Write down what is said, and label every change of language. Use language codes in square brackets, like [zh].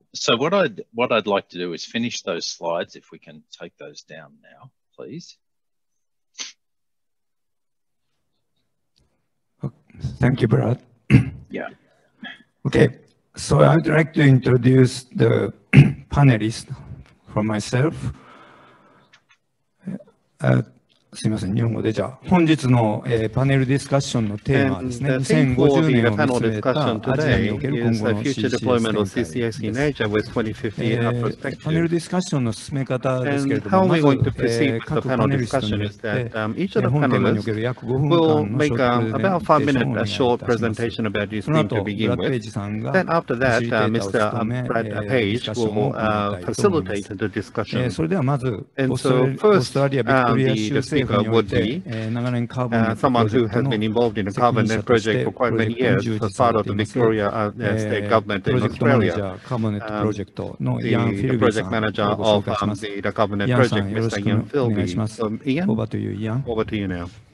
[en] So what I'd like to do is finish those slides, if we can take those down now, please. Thank you, Brad. Yeah. Okay. So I'd like to introduce the panelists for myself. [ja] すみません、日本語でじゃあ本日の、パネルディスカッションのテーマですね。 2050年を見据えたアジアにおける今後の CCS 展開です。パネルディスカッションの進め方ですけれども、まず、各パネルディスカッションによって、本テーマにおける約5分間のショートプレゼンテーションをお願いいたします。その後、ブラッド・ペイジさんが、ファシリテーターを務めたいと思います。それではまず、オーストラリア・ビクトリア州 [en] Someone who has been involved in a carbon net project for quite many years as part of the Victoria State Government in Australia. The project manager of the carbon net project, Mr. Ian Philby. So, Ian, over to you, Ian. Over to you now.